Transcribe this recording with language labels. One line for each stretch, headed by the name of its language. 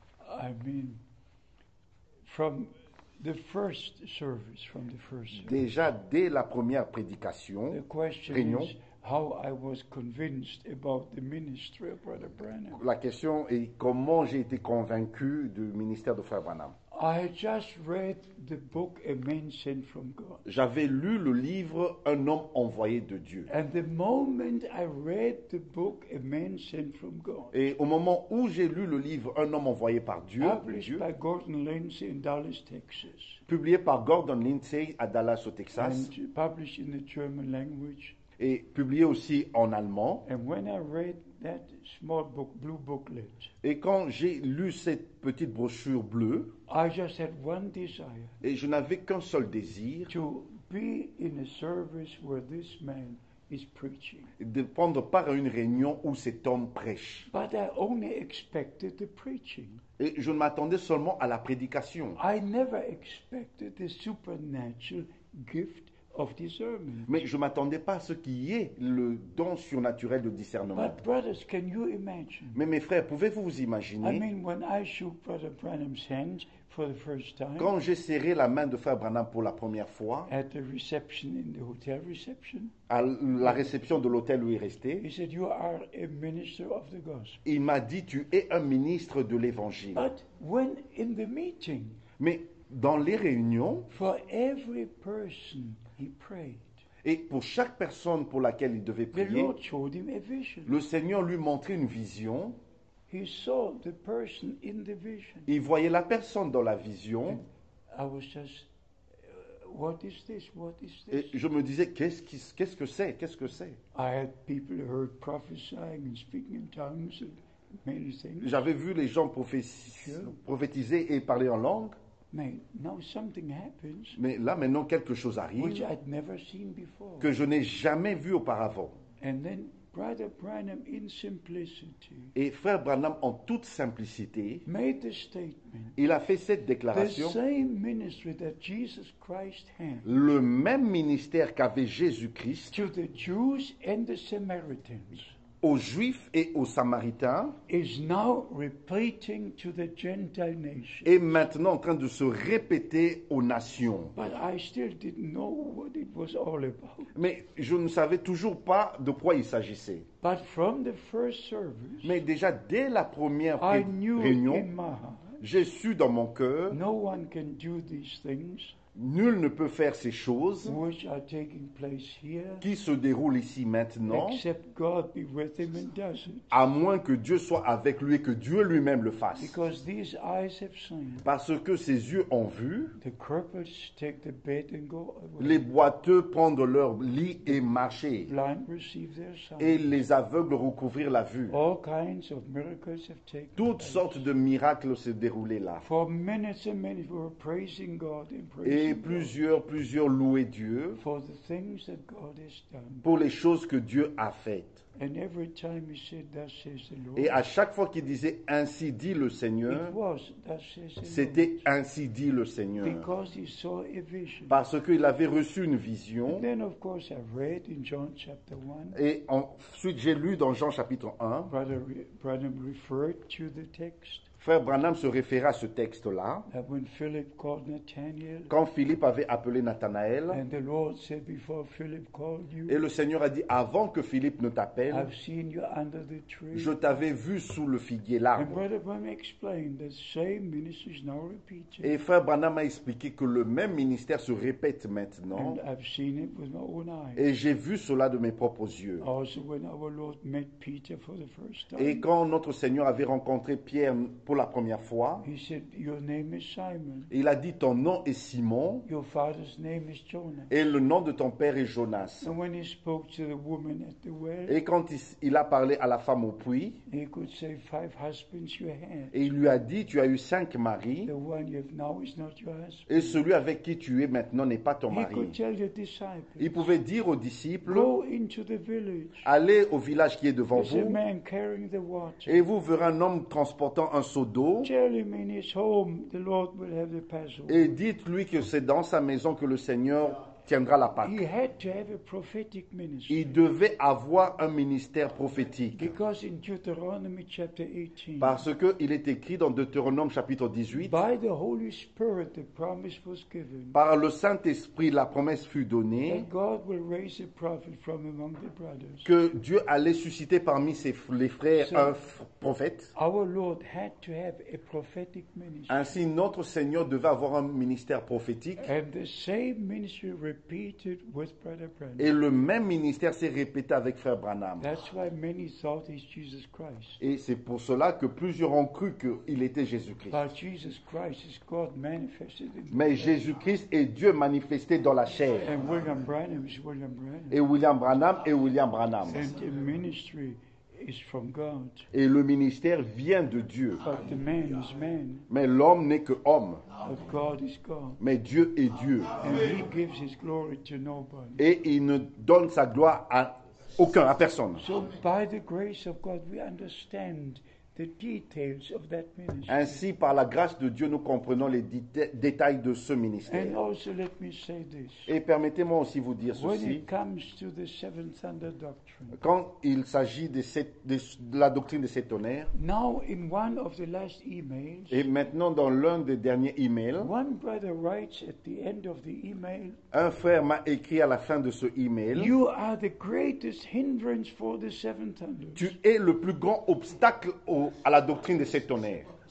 English: I mean, from the first service, from the first service.
French: Déjà dès la première prédication,
English: the question
French: réunion,
English: is how I was convinced about the ministry of Brother Branham.
French: La question est comment j'ai été convaincu du ministère de Frère Branham.
English: I just read the book A Man Sent from God.
French: J'avais lu le livre Un homme envoyé de Dieu.
English: And the moment I read the book A Man Sent from God.
French: Et au moment où j'ai lu le livre Un homme envoyé par Dieu,
English: published by Gordon Lindsay in Dallas, Texas.
French: Publié par Gordon Lindsay à Dallas au Texas.
English: And published in the German language.
French: Et publié aussi en allemand.
English: And when I read that small book, blue booklet.
French: Et quand j'ai lu cette petite brochure bleue,
English: I just had one desire.
French: Et je n'avais qu'un seul désir.
English: To be in a service where this man is preaching.
French: De prendre part à une réunion où cet homme prêche.
English: But I only expected the preaching.
French: Et je m'attendais seulement à la prédication.
English: I never expected the supernatural gift. Of discernment.
French: Mais je ne m'attendais pas à ce qu'il y ait le don surnaturel de discernement.
English: But brothers, can you imagine?
French: Mais mes frères, pouvez-vous vous imaginer?
English: I mean, when I shook Brother Branham's hand for the first time,
French: quand j'ai serré la main de Frère Branham pour la première fois,
English: at the reception in the hotel reception,
French: à la réception de l'hôtel où il restait,
English: he said, you are a minister of the gospel.
French: Il m'a dit, tu es un ministre de l'Évangile.
English: But when in the meeting,
French: mais dans les réunions,
English: for every person, he prayed.
French: Et pour chaque personne pour laquelle il devait prier,
English: the Lord showed him a vision.
French: Le Seigneur lui montrait une vision.
English: He saw the person in the vision.
French: Il voyait la personne dans la vision.
English: I was just, what is this? What is this?
French: Et je me disais, qu'est-ce que c'est? Qu'est-ce que c'est?
English: I had people heard prophesying and speaking in tongues and many things.
French: J'avais vu les gens prophétiser et parler en langue.
English: Mais, now something happens,
French: mais là, maintenant, quelque chose arrive
English: which I'd never seen before.
French: Que je n'ai jamais vu auparavant.
English: And then, Brother Branham, in simplicity,
French: et Frère Branham, en toute simplicité,
English: made the statement,
French: il a fait cette déclaration.
English: The same ministry that Jesus Christ had,
French: le même ministère qu'avait Jésus-Christ
English: to the Jews and the Samaritans,
French: aux Juifs et aux Samaritains
English: is now repeating to the Gentile nations.
French: Est maintenant en train de se répéter aux nations.
English: But I still didn't know what it was all about.
French: Mais je ne savais toujours pas de quoi il s'agissait.
English: But from the first service,
French: mais déjà dès la première réunion, j'ai su dans mon cœur,
English: no one can do these things.
French: Nul ne peut faire ces choses
English: which are taking place here,
French: qui se déroulent ici maintenant,
English: except God be with him and does it.
French: À moins que Dieu soit avec lui et que Dieu lui-même le fasse.
English: Because these eyes have seen,
French: parce que ses yeux ont vu,
English: the cripples take the bed and go away.
French: Les boiteux prennent leur lit et marchent,
English: blind receive their sight.
French: Et les aveugles recouvrir la vue.
English: All kinds of miracles have taken
French: toutes
English: place.
French: Sortes de miracles se déroulaient là.
English: For minutes and minutes we were praising God and praising.
French: Et plusieurs louaient Dieu
English: for the things that God has done.
French: Pour les choses que Dieu a faites.
English: And every time he said, thus says the Lord,
French: et à chaque fois qu'il disait, ainsi dit le Seigneur,
English: it was, thus says the Lord,
French: c'était ainsi dit le Seigneur.
English: Because he saw a vision.
French: Parce qu'il avait reçu une vision.
English: And then of course I read in John chapter 1,
French: et ensuite j'ai lu dans Jean chapitre 1,
English: Branham referred to the text.
French: Frère Branham se référa à ce texte-là.
English: When Philip called Nathanael,
French: quand Philippe avait appelé Nathanaël,
English: and the Lord said before Philip called you,
French: et le Seigneur a dit, avant que Philippe ne t'appelle,
English: I've seen you under the tree.
French: Je t'avais vu sous le figuier, l'arbre.
English: And Brother Branham explained the same ministry is now repeated.
French: Et Frère Branham a expliqué que le même ministère se répète maintenant.
English: And I've seen it with my own eyes.
French: Et j'ai vu cela de mes propres yeux.
English: Also when our Lord met Peter for the first time,
French: et quand notre Seigneur avait rencontré Pierre pour la première fois.
English: He said, your name is Simon.
French: Il a dit, ton nom est Simon.
English: Your father's name is Jonas.
French: Et le nom de ton père est Jonas.
English: And when he spoke to the woman at the well,
French: et quand il a parlé à la femme au puits,
English: he could say, five husbands you had.
French: Et il lui a dit, tu as eu cinq maris.
English: The one you have now is not your husband.
French: Et celui avec qui tu es maintenant n'est pas ton mari.
English: He could tell the disciples,
French: il pouvait dire aux disciples,
English: go into the village.
French: Allez au village qui est devant
English: There's
French: vous.
English: A man carrying the water.
French: Et vous verrez un homme transportant un seau d'eau.
English: Tell him in his home, the Lord will have the Passover.
French: Et dites-lui que c'est dans sa maison que le Seigneur tiendra la Pâque.
English: He had to have a prophetic ministry.
French: Il devait avoir un ministère prophétique.
English: Because in Deuteronomy chapter 18,
French: parce qu'il est écrit dans Deutéronome chapitre 18,
English: by the Holy Spirit, the promise was given,
French: par le Saint-Esprit, la promesse fut donnée,
English: that God will raise a prophet from among the brothers.
French: Que Dieu allait susciter parmi les frères un prophète.
English: Our Lord had to have a prophetic ministry.
French: Ainsi, notre Seigneur devait avoir un ministère prophétique.
English: And the same ministry repeated with Brother Branham.
French: Et le même ministère s'est répété avec Frère Branham.
English: That's why many thought he's Jesus Christ.
French: Et c'est pour cela que plusieurs ont cru qu'il était Jésus-Christ.
English: But Jesus Christ is God manifested in the
French: Mais Jésus-Christ est Dieu manifesté dans la chair.
English: And William Branham is William Branham.
French: Et William Branham est William Branham.
English: And the ministry is from God.
French: Et le ministère vient de Dieu.
English: But the man is man.
French: Mais l'homme n'est que homme.
English: But God is God.
French: Mais Dieu est Dieu.
English: And he gives his glory to nobody.
French: Et il ne donne sa gloire à aucun, à personne.
English: So by the grace of God, we understand the details of that ministry.
French: Ainsi, par la grâce de Dieu, nous comprenons les détails de ce ministère.
English: And also, let me say this.
French: Et permettez-moi aussi vous dire
English: when
French: ceci.
English: It comes to the seventh thunder doctrine,
French: quand il s'agit de la doctrine des sept tonnerres,
English: now in one of the last emails,
French: et maintenant dans l'un des derniers emails,
English: one brother writes at the end of the email,
French: un frère m'a écrit à la fin de ce email,
English: you are the greatest hindrance for the seventh thunder.
French: Tu es le plus grand obstacle à la doctrine des sept tonnerres.